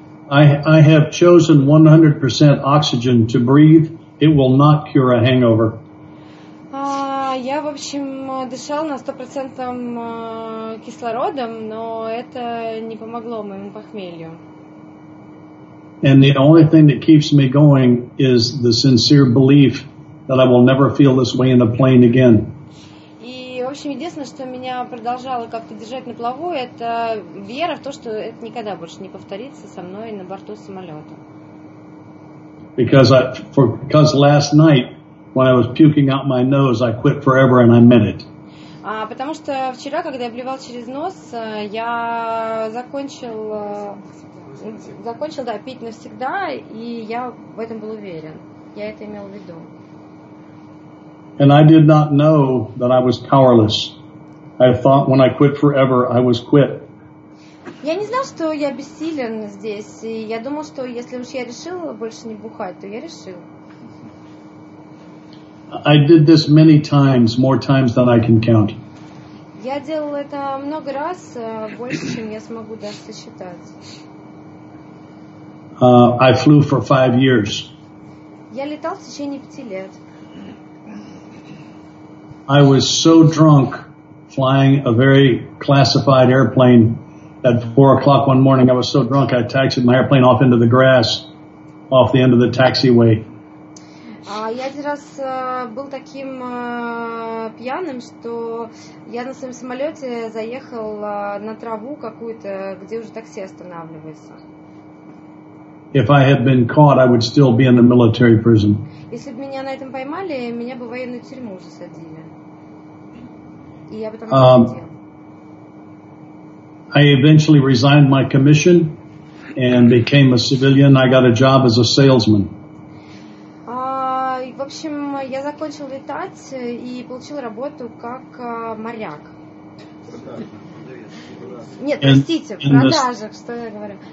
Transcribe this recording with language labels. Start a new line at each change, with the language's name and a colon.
English: I have chosen 100% oxygen to breathe. It will not cure a hangover.
Russian: Я, в общем, дышал на 100% кислородом, но это не помогло моему похмелью.
English: And the only thing that keeps me going is the sincere belief that I will never feel this way in a plane again.
Russian: И, в общем, единственное, что меня продолжало как-то держать на плаву, это вера в то, что это никогда больше не повторится со мной на борту самолета.
English: Because last night, when I was puking out my nose, I quit forever, and I meant it.
Russian: Потому что вчера, когда я блевал через нос, я закончил, да, пить навсегда, и я в этом был уверен. Я это имел в виду.
English: And I did not know that I was powerless. I thought when I quit forever, I was quit.
Russian: Я не знал, что я бессилен здесь, и я думал, что если уж я решил больше не бухать, то я решил.
English: I did this many times, more times than I can count.
Russian: Я делал это много раз, больше, чем я смогу даже сосчитать.
English: I flew for 5 years.
Russian: Я летал в течение 5 лет.
English: I was so drunk flying a very classified airplane at 4 o'clock one morning. I was so drunk I taxied my airplane off into the grass off the end of the taxiway.
Russian: Я один раз был таким пьяным, что я на своем самолете заехал на траву какую-то, где уже такси останавливается.
English: If I had been caught, I would still be in the military prison.
Russian: Если бы меня на этом поймали, меня бы в военную тюрьму уже садили. И я бы там сидел.
English: I eventually resigned my commission and became a civilian. I got a job as a salesman.
Russian: В общем, я закончил летать и получил работу как моряк. Нет, простите, в продажах, что я говорю.